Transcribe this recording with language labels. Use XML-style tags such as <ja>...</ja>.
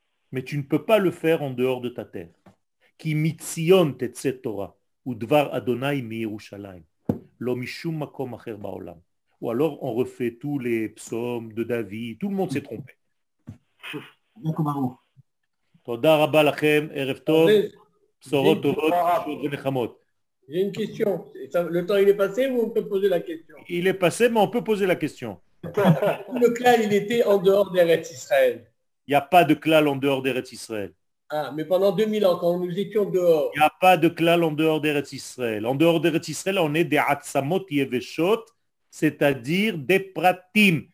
<fr>Mais tu ne peux pas le faire en dehors de ta terre.</fr> <he>Ki mitzion tetzé Torah, ou dvar Adonai mi Yerushalayim. לא משום מקום אחר בעולם.</he> <fr>Ou alors on refait tous les psaumes de David, tout le monde s'est trompé.</fr> <he>תודה רבה לכם, ערב טוב, בשורות טובות, שעות ונחמות.</he> <fr>J'ai une question. Le temps il est passé ou on peut poser la question? Il est passé, mais on peut poser la question. Le klal, il était en dehors d'Eretz Israël. Il n'y a pas de klal en dehors d'Eretz Israël. Ah, mais pendant 2000 ans, quand nous étions dehors... Il n'y a pas de klal en dehors d'Eretz Israël. En dehors d'Eretz Israël, on est des</fr> <he>atzamot yeveshot,</he> <fr>c'est-à-dire des pratim.</fr>